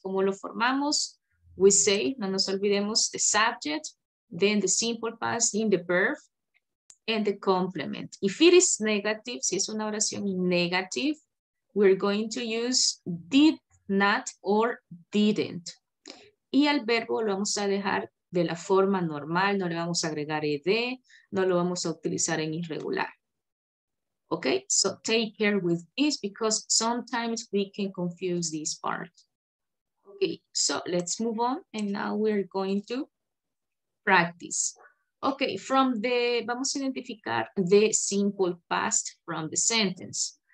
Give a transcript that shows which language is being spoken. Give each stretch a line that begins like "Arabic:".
Spanish: Como lo formamos,
English: we say,
Spanish: no nos olvidemos,
English: the subject, then the simple past in the verb, and the complement. If it is negative,
Spanish: si es una oración
English: negative, we're going to use did not or didn't.
Spanish: Y al verbo lo vamos a dejar de la forma normal, no le vamos a agregar ed, no lo vamos a utilizar en irregular.
English: Okay, so take care with this because sometimes we can confuse this part. Okay, so let's move on and now we're going to practice. Okay, from the,
Spanish: vamos a identificar
English: the simple past from the sentence.